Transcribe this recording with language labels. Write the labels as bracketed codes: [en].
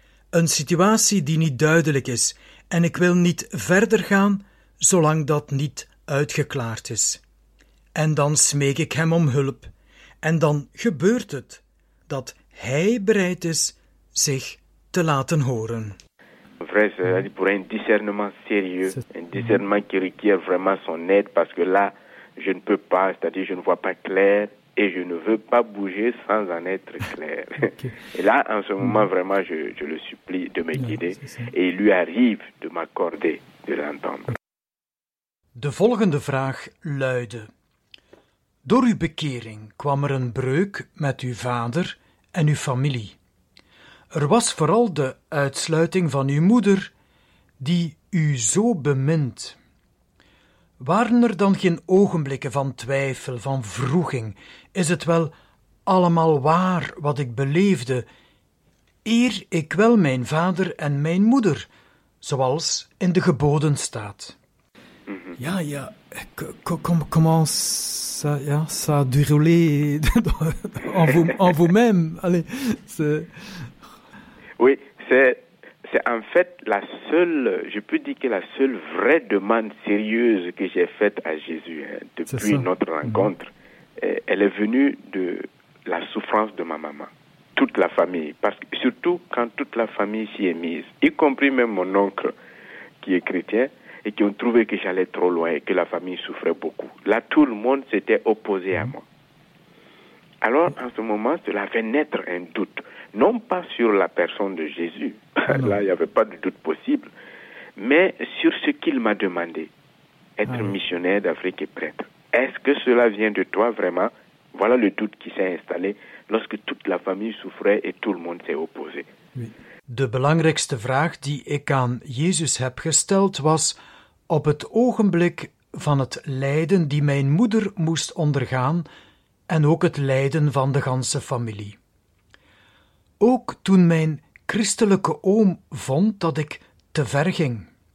[nl] Een situatie die niet duidelijk is en ik wil niet verder gaan zolang dat niet uitgeklaard is. En dan smeek ik hem om hulp en dan gebeurt het. Dat hij bereid is zich te laten horen. [fr] Vrai, c'est pour un discernement sérieux, un discernement qui requiert vraiment son aide, parce que là, je ne peux pas, c'est-à-dire je ne vois pas clair et je ne veux pas bouger sans en être clair. Okay. Et là, en ce moment, vraiment, je le supplie de me guider et il lui arrive de m'accorder de l'entendre. [nl] De volgende vraag luidde. Door uw bekering kwam er een breuk met uw vader en uw familie. Er was vooral de uitsluiting van uw moeder, die u zo bemint. Waren er dan geen ogenblikken van twijfel, van wroeging? Is het wel allemaal waar wat ik beleefde, eer ik wel mijn vader en mijn moeder, zoals in de geboden staat? Ja, ja. [fr] Comment ça, ja, ça a déroulé en vous-même? Allez, c'est... Oui, c'est en fait la seule, je peux dire que la seule vraie demande sérieuse que j'ai faite à Jésus depuis notre rencontre, elle est venue de la souffrance de ma maman, toute la famille, parce que surtout quand toute la famille s'y est mise, y compris même mon oncle qui est chrétien, et qui ont trouvé que j'allais trop loin et que la famille souffrait beaucoup. Là, tout le monde s'était opposé à moi. Alors, en ce moment, cela fait naître un doute, non pas sur la personne de Jésus, là, il n'y avait pas de doute possible, mais sur ce qu'il m'a demandé, être missionnaire d'Afrique et prêtre. Est-ce que cela vient de toi, vraiment? Voilà le doute qui s'est installé lorsque toute la famille souffrait et tout le monde s'est opposé. Oui. [nl] De belangrijkste vraag die ik aan Jezus heb gesteld was op het ogenblik van het lijden die mijn moeder moest ondergaan en ook het lijden van de ganse familie. Ook toen mijn christelijke oom vond dat ik te ver ging.